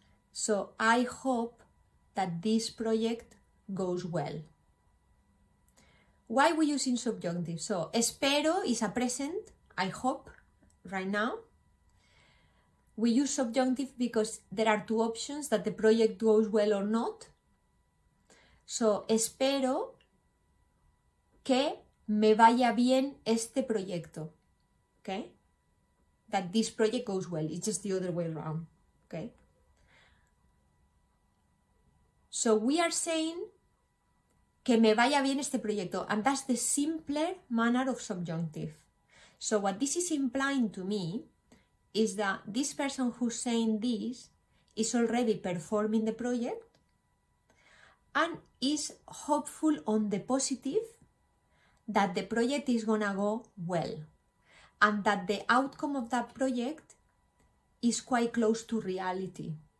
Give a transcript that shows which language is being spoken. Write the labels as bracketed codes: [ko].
[en] So, I hope that this project goes well. Why we use in subjunctive? So, espero is a present, I hope, right now. We use subjunctive because there are two options, that the project goes well or not. [es] So, espero que me vaya bien este proyecto. [en] Okay? That this project goes well. It's just the other way around. Okay? So, we are saying [es] que me vaya bien este proyecto. [en] And that's the simpler manner of subjunctive. So what this is implying to me is that this person who's saying this is already performing the project and is hopeful on the positive that the project is gonna go well and that the outcome of that project is quite close to reality.